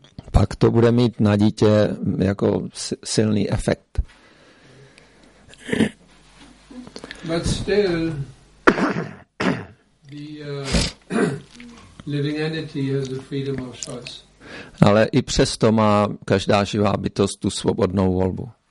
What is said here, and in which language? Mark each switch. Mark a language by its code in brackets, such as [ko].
[cs] pak to bude mít na dítě jako silný efekt. [en] But still, living entity has the freedom of choice. [cs] Ale i přesto má každá živá bytost tu svobodnou volbu.